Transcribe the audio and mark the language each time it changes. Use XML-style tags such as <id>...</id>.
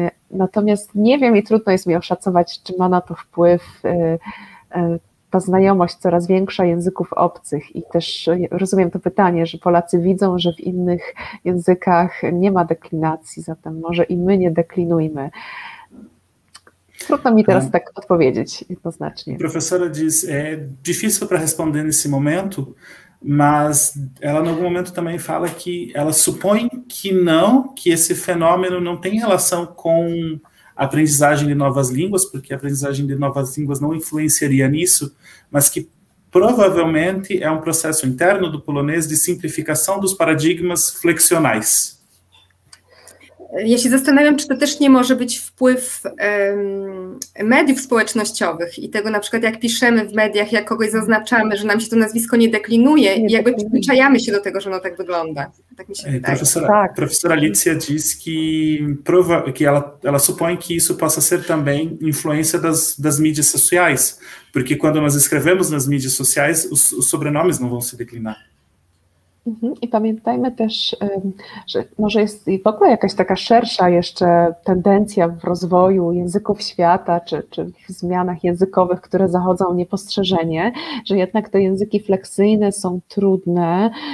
<pl>Natomiast nie wiem i trudno jest mi oszacować, czy ma na to wpływ ta znajomość coraz większa języków obcych. I też rozumiem to pytanie, że Polacy widzą, że w innych językach nie ma deklinacji, zatem może i my nie deklinujmy. Trudno mi teraz tak odpowiedzieć jednoznacznie.</pl> <pt>Profesora diz, é difícil para responder nesse momento, mas ela em algum momento também fala que ela supõe que não, que esse fenômeno não tem relação com aprendizagem de novas línguas, porque a aprendizagem de novas línguas não influenciaria nisso, mas que provavelmente é um processo interno do polonês de simplificação dos paradigmas flexionais.</pt> <pl>Ja się zastanawiam, czy to też nie może być wpływ mediów społecznościowych i tego na przykład jak piszemy w mediach, jak kogoś zaznaczamy, że nam się to nazwisko nie deklinuje i jakby przyzwyczajamy się do tego, że ono tak wygląda. Tak mi się wydaje.</pl> <pt>Profesora Alicja diz que ela supõe que isso possa ser também influência das mídias sociais, porque quando nós escrevemos nas mídias sociais, os sobrenomes não vão se declinar.</pt> <pl>I pamiętajmy też, że może jest w ogóle jakaś taka szersza jeszcze tendencja w rozwoju języków świata, czy w zmianach językowych, które zachodzą niepostrzeżenie, że jednak te języki fleksyjne są trudne.</pl>